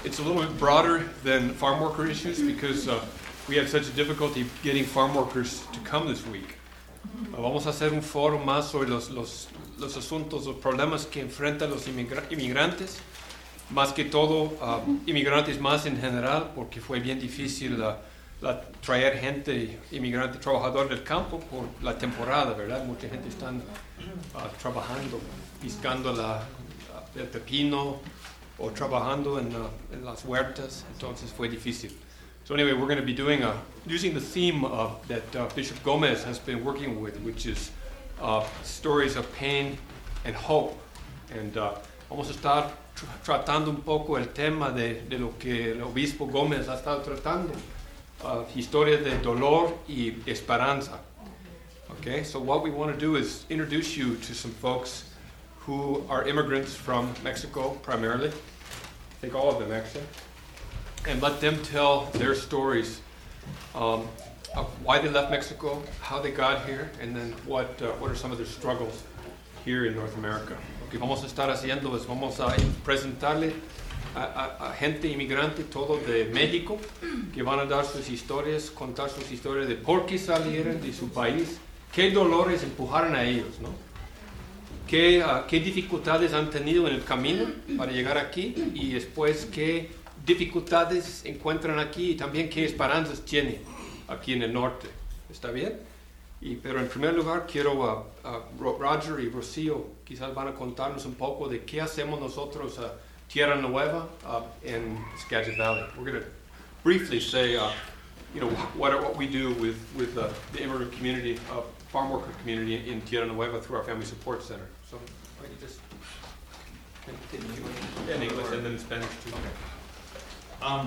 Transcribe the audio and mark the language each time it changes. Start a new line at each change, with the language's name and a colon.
English: It's a little bit broader than farm worker issues because we have such a difficulty getting farm workers to come this week.
Spanish: Vamos a hacer un foro más sobre los asuntos, los problemas que enfrentan los inmigrantes, más que todo inmigrantes más en general, porque fue bien difícil traer gente inmigrante trabajador del campo por la temporada, ¿verdad? Mucha gente está trabajando, piscando el pepino o trabajando en las huertas, entonces fue difícil.
English: So anyway, we're going to be doing using the theme that Bishop Gomez has been working with, which is stories of pain and hope.
Spanish: And vamos a estar tratando un poco el tema de lo que el Obispo Gomez ha estado tratando, historias de dolor y esperanza.
English: Okay, so what we want to do is introduce you to some folks who are immigrants from Mexico, primarily. I think all of them, actually. And let them tell their stories of why they left Mexico, how they got here, and then what are some of their struggles here in North America.
Spanish: Lo que vamos a estar haciendo es vamos a presentarle a gente inmigrante todo de México que van a dar sus historias, contar sus historias de por qué salieron de su país, qué dolores empujaron a ellos, ¿no? Qué dificultades han tenido en el camino para llegar aquí y después qué dificultades encuentran aquí y también qué esperanzas tiene aquí en el norte. ¿Está bien? Pero en primer lugar quiero a Roger y Rocío, quizás van a contarnos un poco de qué hacemos nosotros a Tierra Nueva en Skagit Valley.
English: We're going to briefly say what we do with the immigrant community, farm worker community in Tierra Nueva through our Family Support Center. So why don't you just continue in English and then in Spanish too. Okay.